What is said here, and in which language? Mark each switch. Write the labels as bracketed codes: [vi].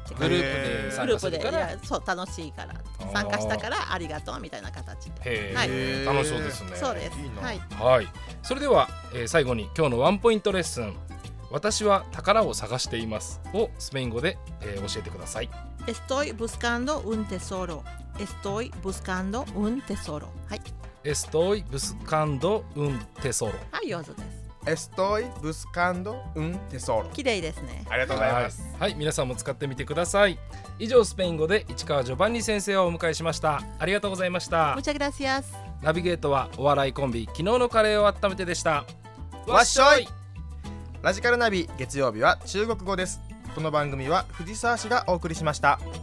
[ja] グループで参加するから、いや、そう、楽しいから、参加したからありがとうみたいな形で、へー、はい、楽しそうですね。そうです。いいな。はい、はい、それでは、最後に今日のワンポイントレッスン、私は宝を探していますをスペイン語で、教えてください。 [es] Estoy buscando un tesoro. Estoy buscando un tesoro. [ja] はい。 [es] Estoy buscando un tesoro. [ja] はい、上手です。 [es] Estoy buscando un tesoro. [ja] 綺麗ですね。ありがとうございます。はい、皆さんも使ってみてください。以上、スペイン語で市川ジョバンニ先生をお迎えしました。ありがとうございました。 [es] Muchas gracias. [ja] ナビゲートはお笑いコンビ、昨日のカレーを温めてでした。わっしょい。ラジカルナビ、月曜日は中国語です。この番組は藤沢市がお送りしました。